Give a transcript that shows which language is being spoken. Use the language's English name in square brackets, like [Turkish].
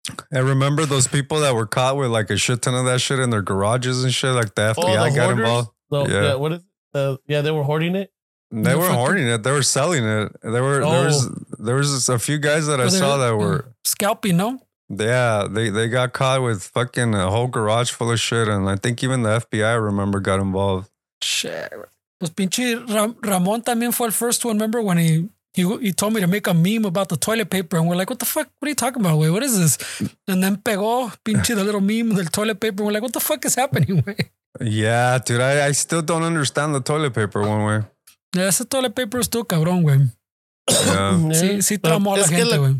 [English] And remember those people that were caught with like a shit ton of that shit in their garages and shit, like the FBI the hoarders, got involved. They were hoarding it. They were selling it. There was a few guys that I saw that were scalping. No. Yeah, they got caught with fucking a whole garage full of shit, and I think even the FBI, I remember, got involved. Shit. [Spanish] Pues pinche Ramon también fue el [English] first one. Remember when he. He told me to make a meme about the toilet paper. And we're like, what the fuck? What are you talking about, güey? What is this? And then [Spanish] pegó, pinche, [English] the little meme of the toilet paper. We're like, what the fuck is happening, güey? Yeah, dude. I still don't understand the toilet paper one way. [Spanish] Yeah, ese [English] toilet paper [Spanish] es tu cabrón, güey. Yeah. Sí, sí tramó a la gente, güey.